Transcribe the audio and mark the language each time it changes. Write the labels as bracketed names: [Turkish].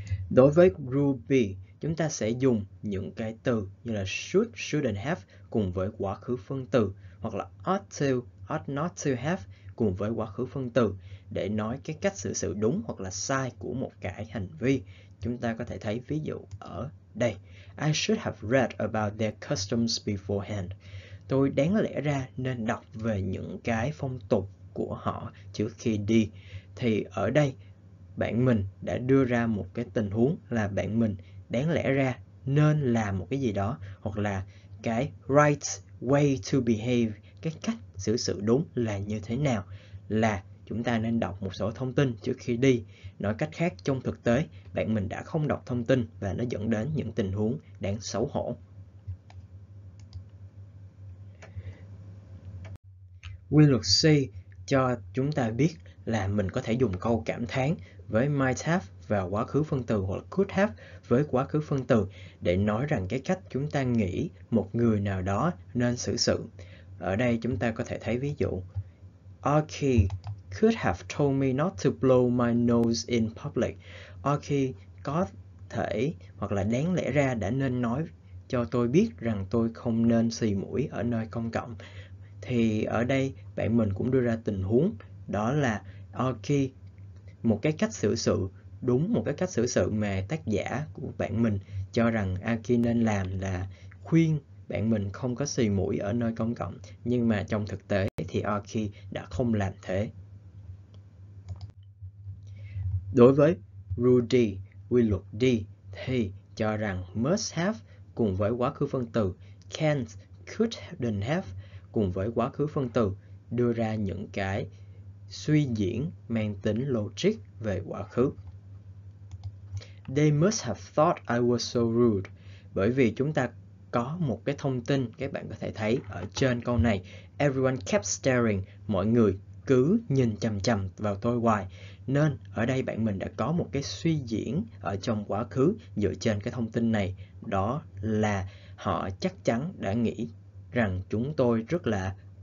[Vietnamese] Đối với rule B, chúng ta sẽ dùng những cái từ như là should, shouldn't have cùng với quá khứ phân từ, hoặc là ought to, ought not to have cùng với quá khứ phân từ để nói cái cách xử sự đúng hoặc là sai của một cái hành vi. Chúng ta có thể thấy ví dụ ở đây. [English] I should have read about their customs beforehand. [Vietnamese] Tôi đáng lẽ ra nên đọc về những cái phong tục của họ trước khi đi. Thì ở đây, bạn mình đã đưa ra một cái tình huống là bạn mình đáng lẽ ra nên làm một cái gì đó, hoặc là cái [English] right way to behave, [Vietnamese] cái cách xử sự đúng là như thế nào, là chúng ta nên đọc một số thông tin trước khi đi. Nói cách khác, trong thực tế, bạn mình đã không đọc thông tin và nó dẫn đến những tình huống đáng xấu hổ. Quy luật C cho chúng ta biết là mình có thể dùng câu cảm thán với might have và quá khứ phân từ, hoặc là could have với quá khứ phân từ để nói rằng cái cách chúng ta nghĩ một người nào đó nên xử sự. Ở đây chúng ta có thể thấy ví dụ. [English] Archie could have told me not to blow my nose in public. [Vietnamese] Archie có thể hoặc là đáng lẽ ra đã nên nói cho tôi biết rằng tôi không nên xì mũi ở nơi công cộng. Thì ở đây bạn mình cũng đưa ra tình huống đó là okay, một cái cách xử sự đúng, một cái cách xử sự mà tác giả của bạn mình cho rằng Aki nên làm là khuyên bạn mình không có xì mũi ở nơi công cộng, nhưng mà trong thực tế thì Aki đã không làm thế. Đối với rule D, quy luật D, thì cho rằng must have cùng với quá khứ phân từ, can't, couldn't have cùng với quá khứ phân từ đưa ra những cái suy diễn mang tính logic về quá khứ. [English] They must have thought I was so rude. [Vietnamese] Bởi vì chúng ta có một cái thông tin các bạn có thể thấy ở trên câu này. [English] Everyone kept staring. [Vietnamese] Mọi người cứ nhìn chằm chằm vào tôi hoài. Nên ở đây bạn mình đã có một cái suy diễn ở trong quá khứ dựa trên cái thông tin này. Đó là họ chắc chắn đã nghĩ rằng chúng tôi rất là...